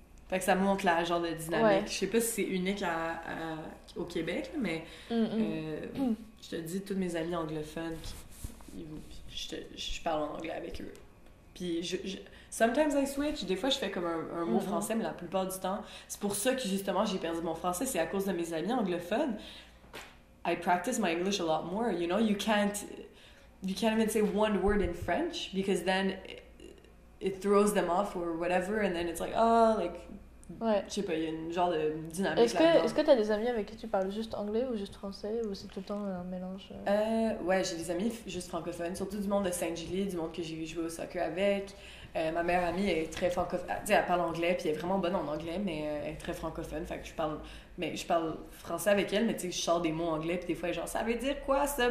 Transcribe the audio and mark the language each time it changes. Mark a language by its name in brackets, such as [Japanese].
[French] Fait que ça montre la genre de dynamique. Ouais. Je sais pas si c'est unique au Québec, mais je te dis, tous mes amis anglophones, je parle en anglais avec eux. Puis [English] sometimes I switch. [French] Des fois, je fais comme un mot français, mais la plupart du temps, c'est pour ça que justement j'ai perdu mon français. C'est à cause de mes amis anglophones. [English] I practice my English a lot more. You know, you can't even say one word in French because then it throws them off or whatever, and then it's like, oh, like, [French] je sais pas, il y a une genre de dynamique là-dedans. Est-ce que t'as des amis avec qui tu parles juste anglais ou juste français, ou c'est tout le temps un mélange? Ouais, j'ai des amis juste francophones, surtout du monde de Saint-Gilles, du monde que j'ai joué au soccer avec. Ma meilleure amie est très francophone, tu sais, elle parle anglais, puis elle est vraiment bonne en anglais, mais elle est très francophone, fait que je parle français avec elle, mais tu sais, je sors des mots anglais, puis des fois, elle est genre, ça veut dire quoi, ça?